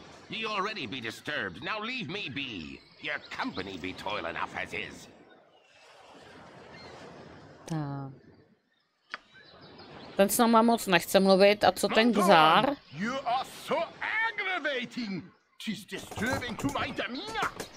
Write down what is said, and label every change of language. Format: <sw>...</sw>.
<en>You already be disturbed, now leave me be. Your company be toil enough as is.</en> <cs>Ten s náma moc nechce mluvit, a co ten Gzár?</cs> <en>You are so aggravating! She's disturbing to my demeanor!</en>